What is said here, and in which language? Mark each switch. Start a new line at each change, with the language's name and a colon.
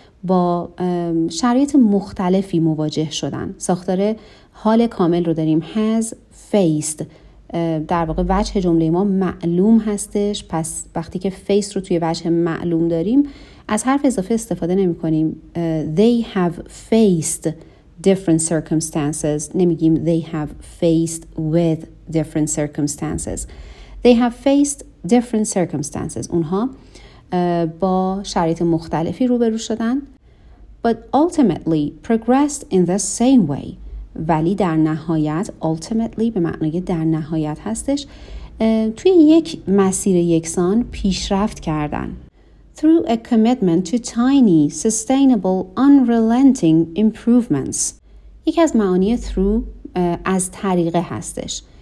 Persian: با شرایط مختلفی مواجه شدن. ساختار حال کامل رو داریم,
English: has faced,
Persian: در واقع وجه جمله ما معلوم هستش، پس وقتی که face رو توی وجه معلوم داریم از حرف اضافه استفاده نمی کنیم.
English: They have faced different circumstances.
Persian: نمیگیم
English: they have faced with different circumstances. They have faced different circumstances.
Persian: اونها با شرایط مختلفی روبرو شدن.
English: But ultimately progressed in the same way.
Persian: ولی در نهایت، ultimately به معنی در نهایت هستش، توی یک مسیر یکسان پیشرفت کردن.
English: Through a commitment to tiny, sustainable, unrelenting improvements.
Persian: یکی از معانی through از طریقه هستش.